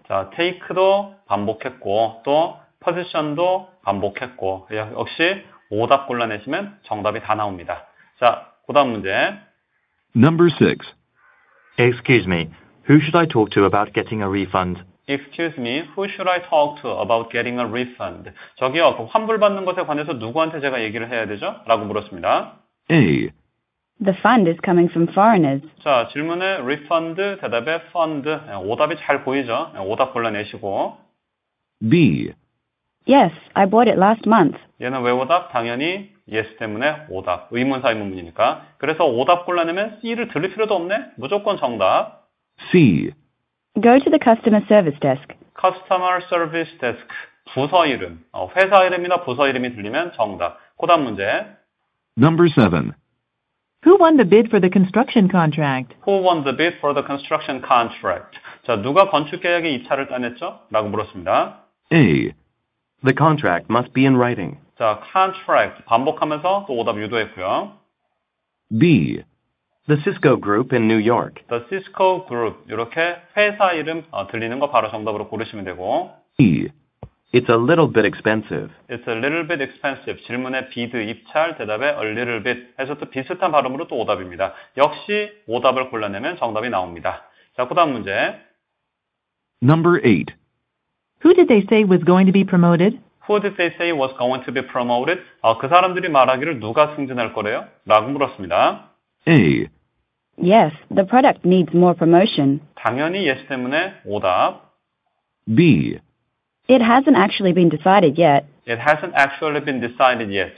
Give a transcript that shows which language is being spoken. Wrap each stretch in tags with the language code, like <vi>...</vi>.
<ko>자, take도 반복했고, 또 position도 반복했고, 역시 오답 골라내시면 정답이 다 나옵니다. 자, 그 다음 문제.</ko> <en>Number 6. Excuse me, who should I talk to about getting a refund? Excuse me, who should I talk to about getting a refund?</en> <ko>저기요, 그 환불받는 것에 관해서 누구한테 제가 얘기를 해야 되죠? 라고 물었습니다.</ko> <en>A. The fund is coming from foreigners.</en> <ko>자, 질문에 refund, 대답에 fund. 오답이 잘 보이죠? 오답 골라내시고.</ko> <en>B. Yes, I bought it last month.</en> <ko>얘는 왜 오답? 당연히 yes 때문에 오답. 의문사의 문문이니까. 그래서 오답 골라내면 C를 들을 필요도 없네? 무조건 정답.</ko> <en>C. Go to the customer service desk. Customer service desk.</en> <ko>부서 이름. 회사 이름이나 부서 이름이 들리면 정답. 그 다음 문제.</ko> <en>Number 7. Who won the bid for the construction contract? Who won the bid for the construction contract?</en> <ko>자, 누가 건축 계약에 입찰을 따냈죠? 라고 물었습니다.</ko> <en>A. The contract must be in writing. 자, contract.</en> <ko>반복하면서 또 오답 유도했고요.</ko> <en>B. The Cisco Group in New York. The Cisco Group. 이렇게 회사 이름 들리는 거 바로 정답으로 고르시면 되고. E. It's a little bit expensive. It's a little bit expensive.</en> <ko>질문에</ko> <en>bid,</en> <ko>입찰, 대답에</ko> <en>a little bit.</en> <ko>해서 또 비슷한 발음으로 또 오답입니다. 역시 오답을 골라내면 정답이 나옵니다. 자, 그 다음 문제.</ko> <en>Number 8. Who did they say was going to be promoted? Who did they say was going to be promoted?</en> <ko>그 사람들이 말하기를 누가 승진할 거래요? 라고 물었습니다.</ko> <en>A. Yes, the product needs more promotion.</en> <ko>당연히 yes 때문에 오답.</ko> <en>B. It hasn't actually been decided yet. It hasn't actually been decided yet.</en>